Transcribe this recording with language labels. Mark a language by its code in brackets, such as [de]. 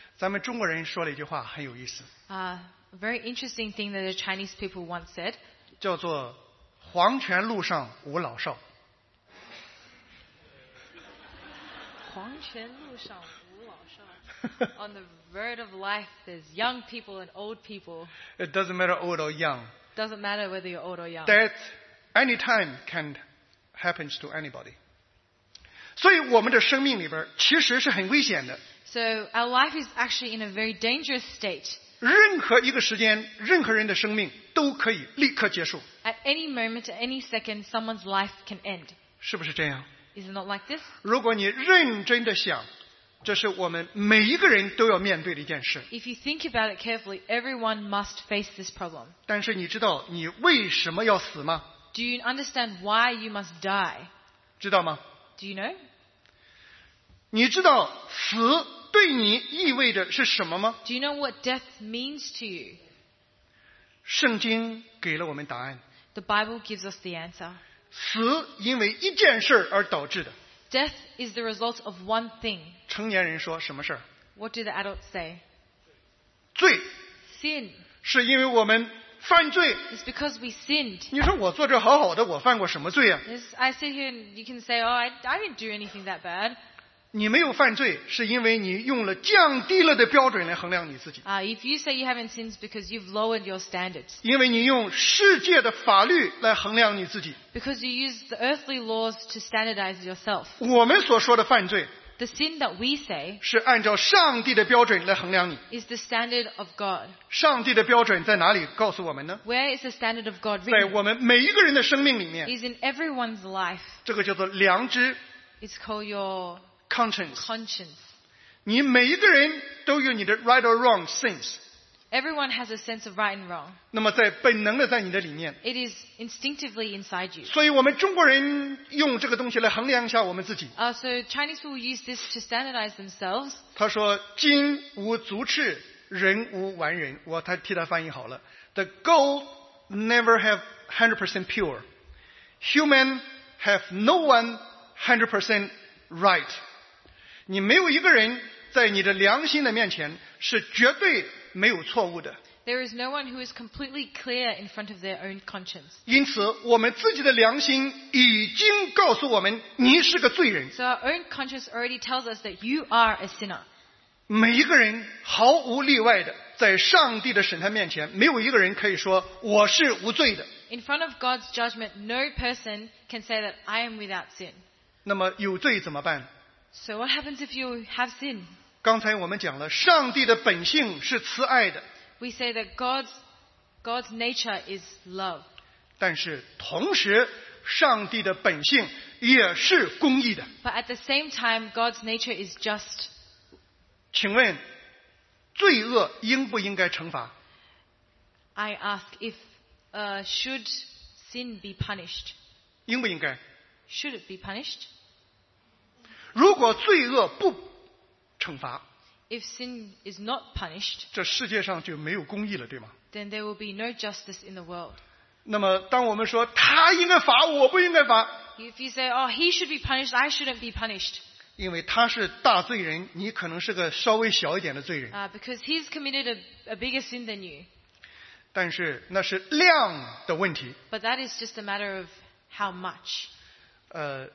[zh] 咱们中国人说了一句话很有意思。 [en] A very interesting thing that the Chinese people once said. [zh] 叫做“黄泉路上无老少”。黄泉路上无老少。 [en] On the road of life, there's young people and old people. It doesn't matter old or young. Doesn't matter whether you're old or young. Death, any time can happen to anybody. [zh] 所以我们的生命里边其实是很危险的。 [en] So our life is actually in a very dangerous state. [zh] 任何一个时间，任何人的生命都可以立刻结束。 [en] At any moment, at any second, someone's life can end. [zh] 是不是这样 [en] ？Is it not like this? [zh] 如果你认真的想，这是我们每一个人都要面对的一件事。 [en] If you think about it carefully, everyone must face this problem. [zh] 但是你知道你为什么要死吗 [en] ？Do you understand why you must die? [zh] 知道吗 [en] ？Do you know? [zh] 你知道死对你意味着是什么吗 [en] ？Do you know what death means to you? [zh] 圣经给了我们答案。 [en] The Bible gives us the answer. [zh] 死因为一件事而导致的。 [en] Death is the result of one thing. [zh] 成年人说什么事？ [en] What do the adults say? [zh] 罪。 [en] Sin. [zh] 是因为我们犯罪。 [en] It's because we sinned. [zh] 你说我坐这好好的，我犯过什么罪啊？ [en] I sit here and you can say, oh, I didn't do anything that bad. [zh] 你没有犯罪，是因为你用了降低了的标准来衡量你自己。 [en] If you say you haven't sinned, it's because you've lowered your standards. [zh] 因为你用世界的法律来衡量你自己。 [en] Because you use the earthly laws to standardize yourself. [zh] 我们所说的犯罪。 [en] The sin that we say [zh] 是按照上帝的标准来衡量你。 [en] Is the standard of God. [zh] 上帝的标准在哪里告诉我们呢？ [en] Where is the standard of God written? [zh] 在我们每一个人的生命里面。 [en] Is in everyone's life. [zh] 这个叫做良知。 [en] It's called your conscience. [zh] 你每一个人都有你的 [en] right or wrong sense. Everyone has a sense of right and wrong. [zh] 那么在本能的在你的里面。 [en] It is instinctively inside you. [zh] 所以我们中国人用这个东西来衡量一下我们自己。 [en] So Chinese people use this to standardize themselves. [zh] 他说金无足赤，人无完人。我他替他翻译好了。 [en] The gold never have 100% pure. Human have no one 100% right. [zh] 你没有一个人在你的良心的面前是绝对没有错误的。 [en] There is no one who is completely clear in front of their own conscience. [zh] 因此，我们自己的良心已经告诉我们，你是个罪人。 [en] So our own conscience already tells us that you are a sinner. [zh] 每一个人毫无例外的，在上帝的审判面前，没有一个人可以说我是无罪的。 [en] In front of God's judgment, no person can say that I am without sin. [zh] 那么有罪怎么办？ [en] So what happens if you have sin? [zh] 刚才我们讲了，上帝的本性是慈爱的。 [en] We say that God's nature is love. [zh] 但是同时，上帝的本性也是公义的。 [en] But at the same time, God's nature is just. [zh] 请问，罪恶应不应该惩罚？ [en] I ask if, should sin be punished? [zh] 应不应该？ [en] Should it be punished? [zh] 如果罪恶不惩罚， [en] If sin is not punished, [zh] 这世界上就没有公义了，对吗？ [en] Then there will be no justice in the world. [zh] 那么当我们说他应该罚，我不应该罚， [en] If you say, oh, he should be punished, I shouldn't be punished. [zh] 因为他是大罪人，你可能是个稍微小一点的罪人。 [en] Because he's committed a bigger sin than you. [zh] 但是那是量的问题。 [en] But that is just a matter of how much.